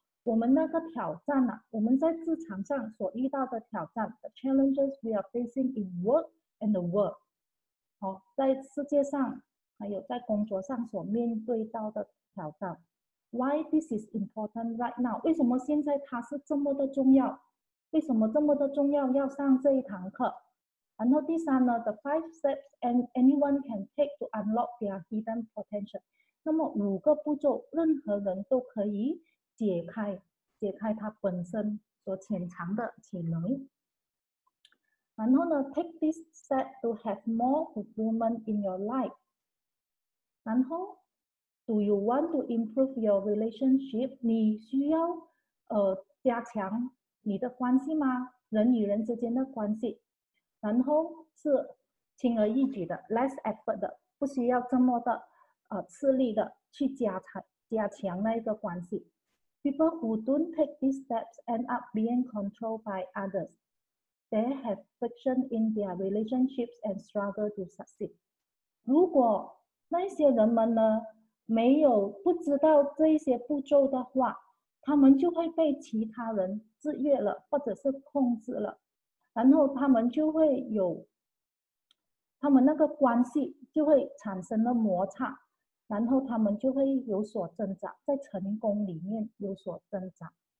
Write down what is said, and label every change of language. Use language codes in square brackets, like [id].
[zh] 我们那个挑战我们在职场上所遇到的挑战， [en] the challenges we are facing in work and the world， [zh] 在世界上还有在工作上所面对到的挑战， [en] Why this is important right now？ [zh] 为什么现在它是这么的重要？为什么这么的重要要上这一堂课？然后第三呢， [en] the 5 steps and anyone can take to unlock their hidden potential。 [zh] 那么五个步骤，任何人都可以。解开他本身所潜藏的潜能，然后呢， [en] take this step to have more fulfillment in your life。 [zh] 然后， [en] do you want to improve your relationship？ [zh] 你需要加强你的关系吗？人与人之间的关系，然后是轻而易举的 [en] less effort [zh] 的，不需要这么的吃力的去加强那一个关系。 [en] People who don't take these steps end up being controlled by others. They have friction in their relationships and struggle to succeed. [zh] 如果那些人们呢没有不知道这些步骤的话，他们就会被其他人制约了，或者是控制了，然后他们就会有他们那个关系就会产生了摩擦，然后他们就会有所挣扎，在成功里面有所挣扎。